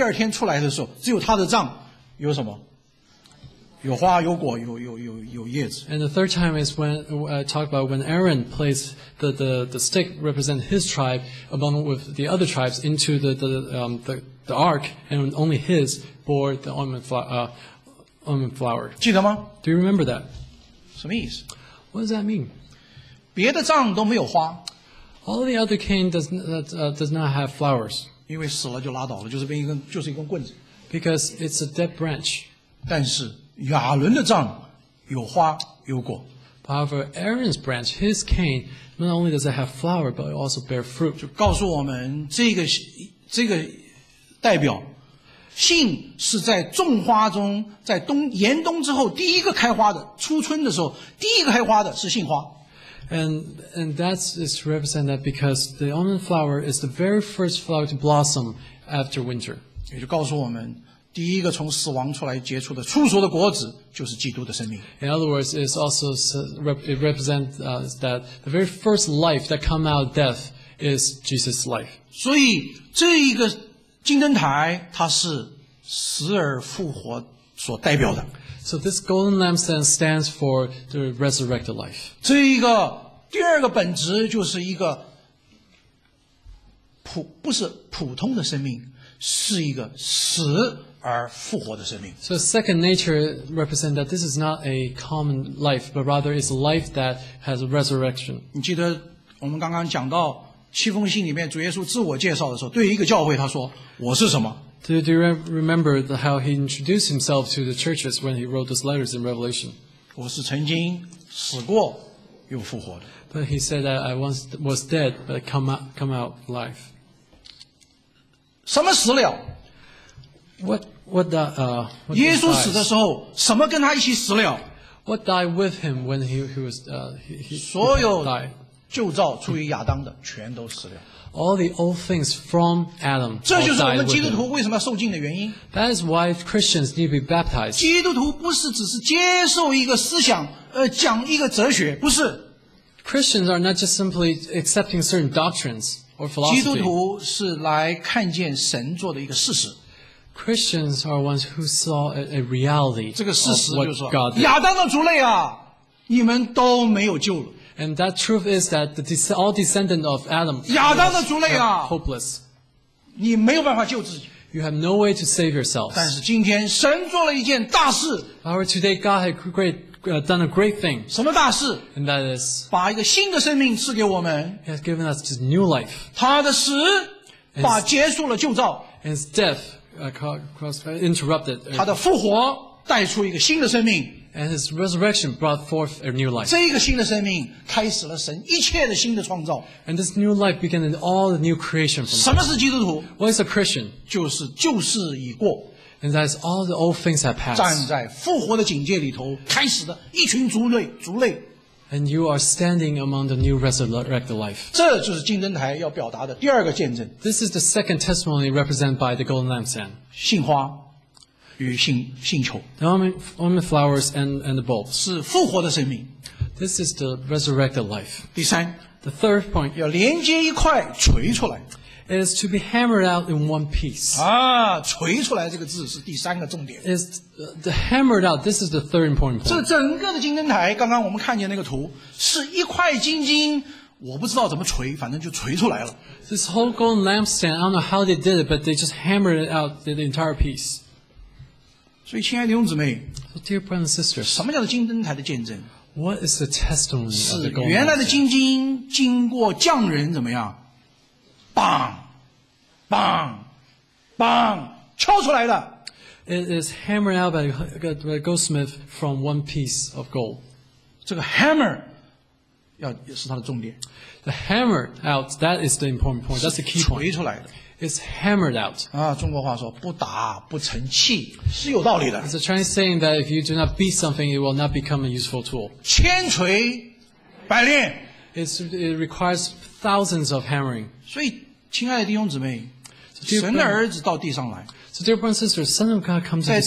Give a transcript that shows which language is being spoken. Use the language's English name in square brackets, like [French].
[Chinese] 第二天出来的时候，只有他的杖有什么？有花，有果，有叶子。 [English] And the third time is when I talked about when Aaron placed the stick represent his tribe along with the other tribes into the ark, and only his. For the almond flower. [Chinese] 记得吗 [English] Do you remember that? [Chinese] 什么意思 [English] What does that mean? [Chinese] 别的杖都没有花 [English] All the other cane does not have flowers. [Chinese] 因为死了就拉倒了，就是一根棍子 [English] Because it's a dead branch. [Chinese] 但是亚伦的杖有花有果 [English] However, Aaron's branch, his cane, not only does it have flower, but it also bear fruit. [Chinese] 就告诉我们这个代表。杏是在种花中，在冬严冬之后第一个开花的，初春的时候第一个开花的是杏花。 [English] And that is to represent that because the almond flower is the very first flower to blossom after winter. [Chinese] 也就告诉我们，第一个从死亡出来结出的出熟的果子就是基督的生命。 [English] In other words, it's also it represents that the very first life that come out of death is Jesus' life. [Chinese] 所以这一个金灯台它是死而复活所代表的。 [English] So this golden lampstand stands for the resurrected life. [Chinese] 这一个第二个本质就是一个不是普通的生命，是一个死而复活的生命。 [English] So second nature represents that this is not a common life, but rather it's a life that has a resurrection. [Chinese] 你记得我们刚刚讲到七封信里面主耶稣自我介绍的时候，对于一个教会他说我是什么？ [English] Do you remember how he introduced himself to the churches when he wrote those letters in Revelation? [Chinese] 我是曾经死过又复活的。 [English] But he said that I once was dead, but come out alive. [Chinese] 什么死了？ [English] What died? [Chinese] 耶稣死的时候，什么跟他一起死了？ [English] What died with him when he died? [Chinese] 所有旧造出于亚当的全都死了。 [English] All the old things from Adam. [Chinese] 这就是我们基督徒为什么要受浸的原因。 [English] That is why Christians need to be baptized. [Chinese] 基督徒不是只是接受一个思想，讲一个哲学，不是。 [English] Christians are not just simply accepting certain doctrines or philosophy. [Chinese] 基督徒是来看见神做的一个事实。 [English] Christians are ones who saw a reality. [Chinese] 这个事实就是说，亚当的族类啊，你们都没有救了。 [English] And that truth is that all descendants of Adam are hopeless. [Chinese] 你没有办法救自己。 [English] You have no way to save yourself. [Chinese] 但是今天神做了一件大事。 [English] However, today God had done a great thing. [Chinese] 什么大事？ [English] And that is, [Chinese] 把一个新的生命赐给我们。 [English] He has given us this new life. [Chinese] 他的死把结束了旧造。 [English] And his death interrupted. [Chinese] 他的复活带出一个新的生命。 [English] And his resurrection brought forth a new life. [Chinese] 这个新的生命开始了神一切的新的创造。 [English] And this new life began in all the new creation from God. [Chinese] 什么是基督徒？ [English] What is a Christian? [Chinese] 就是旧事已过。 [English] And that is all the old things have passed. [Chinese] 站在复活的警戒里头开始的一群族类。 [English] And you are standing among the new resurrected life. [Chinese] 这就是金灯台要表达的第二个见证。 [English] This is the second testimony represented by the golden lampstand. [Chinese] 杏花。与星球 [English] the flowers and the bulbs [Chinese] 是复活的生命。 [English] This is the resurrected life. [Chinese] 第三 [English] the third point [Chinese] 要连接一块锤出来。 [English] It is to be hammered out in one piece. [Chinese] 啊，锤出来这个字是第三个重点。 [English] Is the hammered out? This is the third important point. [Chinese] 这整个的金灯台，刚刚我们看见那个图，是一块金晶，我不知道怎么锤，反正就锤出来了。 [English] This whole golden lampstand, I don't know how they did it, but they just hammered it out the entire piece. [Chinese] 所以亲爱的弟兄姊妹 [English] Dear brothers and sisters, [Chinese] 什么叫做金灯台的见证？ [English] What is the testimony of the golden lampstand? [Chinese] 是原来的金晶经过匠人怎么样 Bang! Bang! Bang! 敲出来的。 [English] It is hammered out by a goldsmith from one piece of gold. [Chinese] 这个 hammer 也是它的重点。 [English] The hammer out, that is the important point. That's the key point. [Chinese] 锤出来的。 [English] It's hammered out. [Chinese] 啊，中国话说不打不成器是有道理的。 [English] It's a Chinese saying that if you do not beat something, it will not become a useful tool. [Chinese] 千锤百炼。 [English] It requires thousands of hammering. [Chinese] 所以，亲爱的弟兄姊妹， [English] so、dear, [Chinese] 神的儿子到地上来。 [English] So dear brothers and sisters, Son of God comes to this earth.